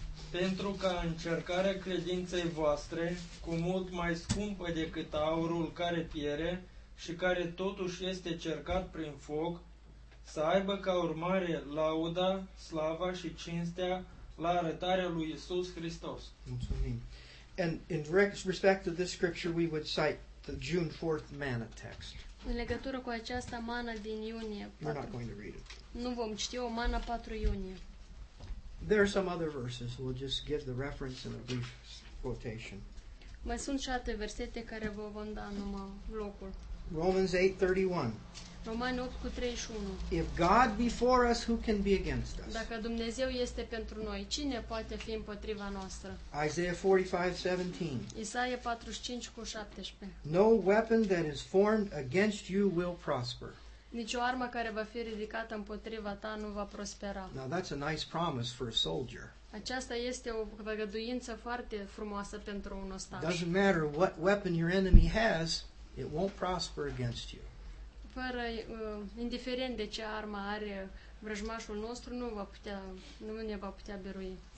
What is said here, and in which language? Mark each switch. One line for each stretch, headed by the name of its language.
Romanian: Pentru ca încercarea credinței voastre, cu mult mai scumpă decât aurul care piere și care totuși este cercat prin foc, să aibă ca urmare lauda, slava și cinstea la arătarea lui Iisus Hristos. Mulțumim.
English: And in respect to this scripture, we would cite the June 4th manna text.
Romanian: În legătură cu această mană din iunie.
English: We're not going to read it.
Romanian: Nu vom citi o mană 4 iunie.
English: There are some other verses. We'll just give the reference and a brief quotation.
Romanian: Mai sunt și alte versete care vă vom da numai locul.
English: Romans 8:31.
Romanian: Romani 8:31.
English: If God be for us, who can be against us?
Romanian: Dacă Dumnezeu este pentru noi, cine poate fi împotriva noastră?
English: Isaiah 45:17.
Romanian: Isaia 45:17.
English: No weapon that is formed against you will prosper.
Romanian: Nicio armă care va fi ridicată împotriva ta nu va prospera.
English: Now that's a nice promise for a soldier.
Romanian: Aceasta este o făgăduință foarte frumoasă pentru un ostaș.
English: Doesn't matter what weapon your enemy has, it won't prosper against you.
Romanian: Fără, indiferent de ce armă are vrăjmașul nostru, nu ne va putea birui.